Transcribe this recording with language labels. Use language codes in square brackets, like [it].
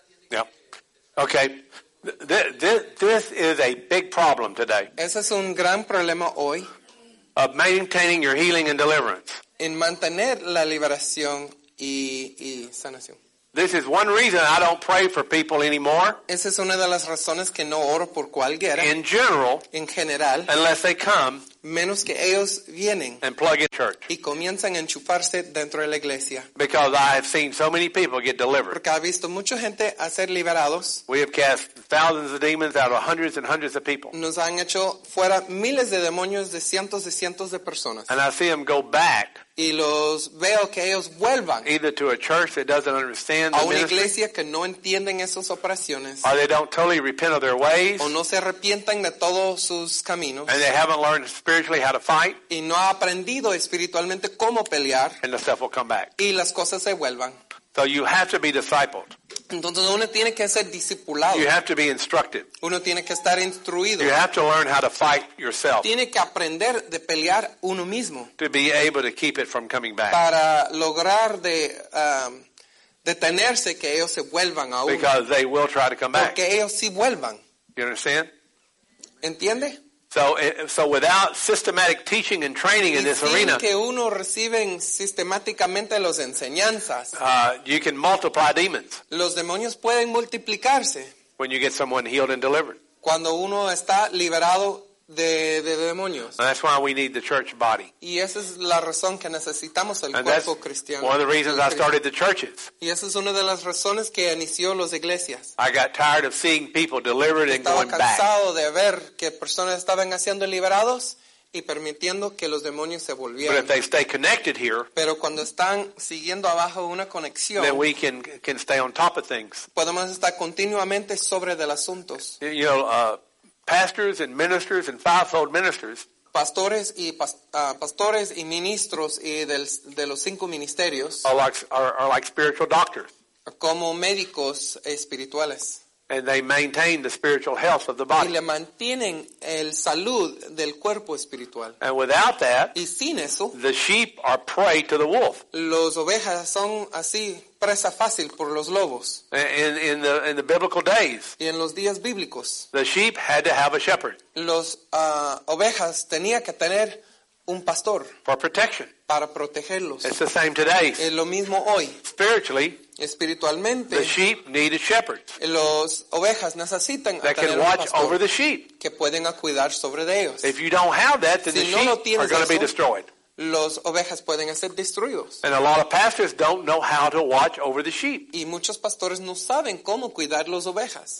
[en] Yeah. Okay. This is a big problem today. [es] Ese es un gran problema hoy. [en] Of maintaining your healing and deliverance. [es] En mantener la liberación y sanación. [en] This is one reason I don't pray for people anymore. [es] Esa es una de las razones que no oro por cualquiera. [en] In general. [es] En general. [en] Unless they come. [es] Menos que ellos vienen. [en] And plug in church. [es] Y comienzan a enchufarse dentro de la iglesia. [en] Because I have seen so many people get delivered. [es] Porque he visto mucha gente a ser liberados. [en] We have cast thousands of demons out of hundreds and hundreds of people. [es] Nos han hecho fuera miles de demonios de cientos y cientos de personas. [en] And I see them go back. [es] Y los veo que ellos vuelvan. [en] Either to a church that doesn't understand [es] a una iglesia que no entienden esas operaciones. [en] Or they don't totally repent of their ways. [es] O no se arrepientan de todos sus caminos. [en] And they haven't learned spiritually how to fight. [es] Y no ha aprendido espiritualmente cómo pelear. [en] And the stuff will come back. [es] Y las cosas se vuelvan. [en] So you have to be discipled. [es] Entonces uno tiene que ser discipulado. [en] You have to be instructed. [es] Uno tiene que estar instruido. [en] You have to learn how to fight yourself. [es] Tiene que aprender de pelear uno mismo. [en] To be able to keep it from coming back. [es] Para lograr de detenerse que ellos se vuelvan a uno. [en] Because they will try to come back. [es] Porque ellos sí vuelvan. [en] You understand? [es] ¿Entiende? [en] So without systematic teaching and training in this arena, [es] que uno reciben sistemáticamente los enseñanzas, [en] you can multiply demons. [es] Los demonios pueden multiplicarse. [en] When you get someone healed and delivered. [es] Cuando uno está liberado de demonios. [en] And that's why we need the church body. [es] Y esa es la razón que necesitamos el [en] and [es] cuerpo cristiano. [en] One of the reasons I started the churches. [es] Y esa es una de las razones que inició las iglesias. [en] I got tired of seeing people delivered [es] estaba [en] and going back. [es] Estaba cansado de ver que personas estaban siendo liberados y permitiendo que los demonios se volvieran. [en] But if they stay connected here, [es] pero cuando están siguiendo abajo una conexión, [en] then we can stay on top of things. [es] Podemos estar continuamente sobre del asunto. [en] You know, pastors and ministers and fivefold ministers. [es] Pastores y pastores y ministros y de los cinco ministerios. [en] Are like spiritual doctors. [es] Como médicos espirituales. [en] And they maintain the spiritual health of the body. [es] Y le mantienen el salud del cuerpo espiritual. [en] And without that, [es] y sin eso, [en] the sheep are prey to the wolf. [es] Los ovejas son así presa fácil por los lobos. [en] In the biblical days, [es] y en los días bíblicos, [en] the sheep had to have a shepherd. [es] Los ovejas tenía que tener un pastor. [en] For protection. [es] Para protegerlos. [en] It's the same today. [es] Es lo mismo hoy. [en] Spiritually. [es] Espiritualmente, [en] the sheep need a shepherd. [es] Los ovejas necesitan [en] that can watch over the sheep. [es] Que pueden cuidar sobre de ellos. [en] If you don't have that, then [es] si [en] the [es] no [en] sheep are going to be destroyed. [es] Los ovejas pueden ser destruidos. [en] And a lot of pastors don't know how to watch over the sheep. [es] Y muchos pastores no saben cómo cuidar los ovejas.